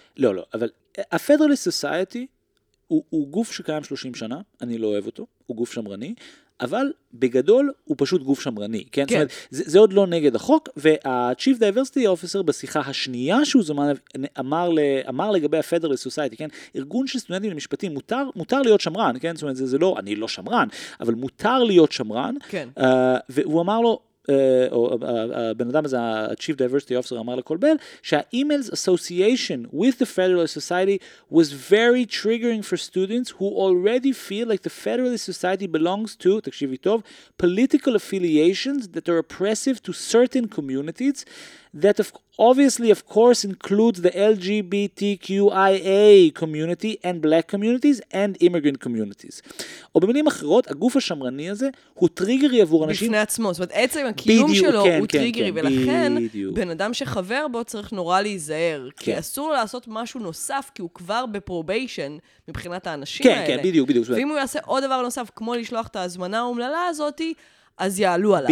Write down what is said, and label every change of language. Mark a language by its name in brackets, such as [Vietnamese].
[Hebrew] לא, לא, אבל ה-Federalist Society הוא גוף שקיים 30 שנה, אני לא אוהב אותו, הוא גוף שמרני, אבל בגדול הוא פשוט גוף שמרני, כן? כן. זאת אומרת, זה עוד לא נגד החוק, וה-Chief Diversity Officer בשיחה השנייה שהוא זמן אמר לגבי ה-Federal Society, כן? ארגון של סטודנטים למשפטים, מותר להיות שמרן, כן? זאת אומרת, זה לא, אני לא שמרן, אבל מותר להיות שמרן. כן. והוא אמר לו, הבן אדם הזה, ה-Chief Diversity Officer אמר לקולבל, [English] שה-Emails Association with the Federalist Society was very triggering for students who already feel like the Federalist Society belongs to, [Hebrew] תקשיבי טוב, [English] political affiliations that are oppressive to certain communities that obviously, of course, include the LGBTQIA community and black communities and immigrant communities. [Hebrew] או במילים אחרות, הגוף השמרני הזה הוא טריגרי עבור אנשים... בפני עצמו, זאת אומרת, עצם הקיום שלו הוא טריגרי, ולכן בן אדם שחבר בו צריך נורא להיזהר, כי אסור לו לעשות משהו נוסף, כי הוא כבר בפרוביישן מבחינת האנשים האלה. כן, כן, בדיוק, בדיוק. ואם הוא יעשה עוד דבר נוסף, כמו לשלוח את ההזמנה האומללה הזאת, אז יעלו עליו.